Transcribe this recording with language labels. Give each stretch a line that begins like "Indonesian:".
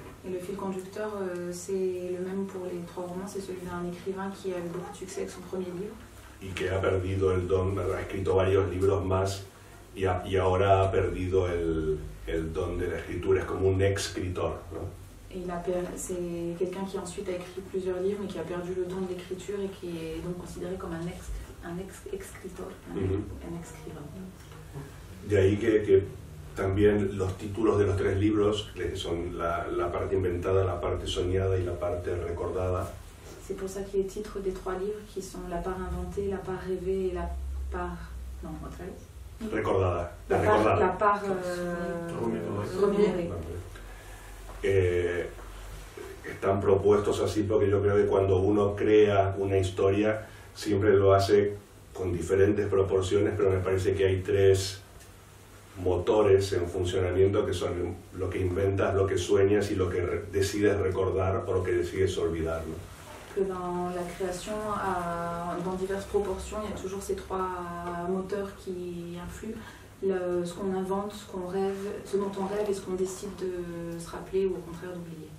Spanish: Y el fil conductor es el mismo para los tres romances, es el de un escritor que ha tenido mucho éxito con su primer libro. Y que ha perdido el don, ha escrito varios libros más y ahora ha perdido el don de la escritura, es como un ex-escritor, ¿no?
French: Il a c'est quelqu'un qui ensuite a écrit plusieurs livres mais qui a perdu le don de l'écriture et qui est donc considéré comme un
Spanish: ex-escritor,
French: un ex-écrivain. De ahí que también los títulos de los tres libros son la parte inventada, la parte soñada y la parte recordada. C'est pour ça que les titres des trois livres qui sont la part inventée, la part rêvée et la part non,
Spanish: otra vez. Recordada.
French: La part remémorée.
Spanish: Están propuestos así porque yo creo que cuando uno crea una historia siempre lo hace con diferentes proporciones, pero me parece que hay tres motores en funcionamiento que son lo que inventas, lo que sueñas y lo que decides recordar o lo que decides olvidar, ¿no?
French: Que dans la création, dans diverses proportions, il y a toujours ces trois moteurs qui influent. Ce qu'on invente, ce qu'on rêve, ce dont on rêve et ce qu'on décide de se rappeler ou au contraire d'oublier.